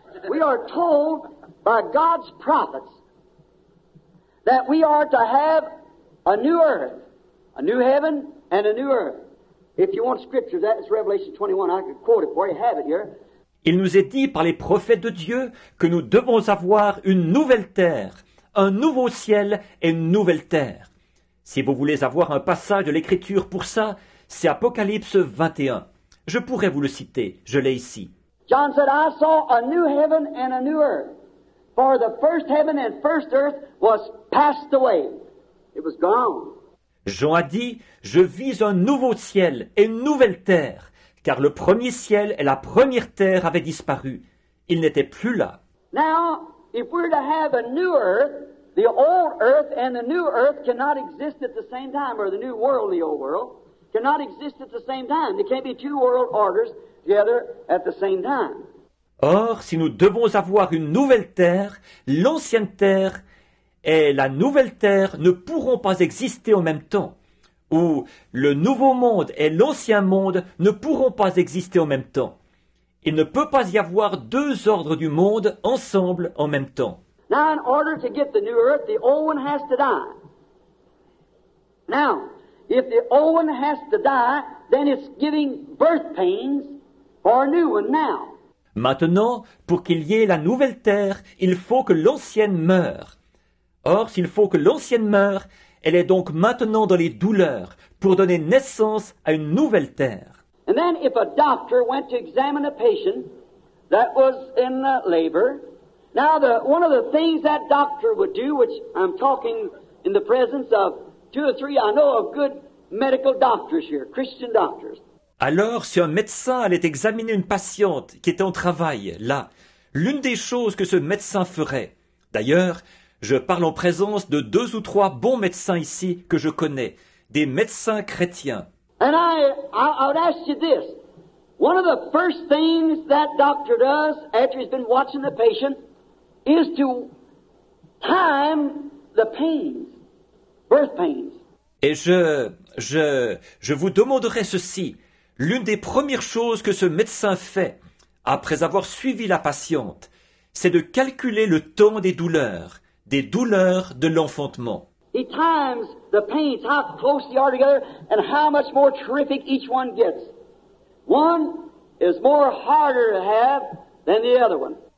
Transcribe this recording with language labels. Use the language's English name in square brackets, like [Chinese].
[English] We are told by God's prophets that we are to have a new earth, a new heaven and a new earth. If you want scripture, that is Revelation 21. I could quote it for you. I have it here. [French] Il nous est dit par les prophètes de Dieu que nous devons avoir une nouvelle terre, un nouveau ciel et une nouvelle terre. Si vous voulez avoir un passage de l'Écriture pour ça, c'est Apocalypse 21. Je pourrais vous le citer. Je l'ai ici. [English] John said, I saw a new heaven and a new earth. For the first heaven and first earth was passed away. It was gone. [French] Jean a dit, je vis un nouveau ciel et une nouvelle terre, car le premier ciel et la première terre avaient disparu. Ils n'étaient plus là. [English] Now, if we're to have a new earth, the old earth and the new earth cannot exist at the same time, or the new world and the old world cannot exist at the same time. There can't be two world orders together at the same time. [French] Or, si nous devons avoir une nouvelle terre, l'ancienne terre et la nouvelle terre ne pourront pas exister en même temps. Ou le nouveau monde et l'ancien monde ne pourront pas exister en même temps. Il ne peut pas y avoir deux ordres du monde ensemble en même temps. [English] Now, in order to get the new earth, the old one has to die. Now, if the old one has to die, then it's giving birth pains for a new one now. [French] Maintenant, pour qu'il y ait la nouvelle terre, il faut que l'ancienne meure. Or, s'il faut que l'ancienne meure, elle est donc maintenant dans les douleurs pour donner naissance à une nouvelle terre. [English] And then if a doctor went to examine a patient that was in labor, now the one of the things that doctor would do, which I'm talking in the presence of two or three I know of good medical doctors here, Christian doctors. [French] Alors, si un médecin allait examiner une patiente qui était en travail, là, l'une des choses que ce médecin ferait, d'ailleurs, je parle en présence de deux ou trois bons médecins ici que je connais, des médecins chrétiens. [English] And I would ask you this. One of the first things that doctor does after he's been watching the patient is to time the pains, birth pains. [French] Et je vous demanderai ceci. L'une des premières choses que ce médecin fait après avoir suivi la patiente, c'est de calculer le temps des douleurs de l'enfantement. [English] He times the pains, how close they are together, and how much more terrific each one gets. One is more harder to have than the other one.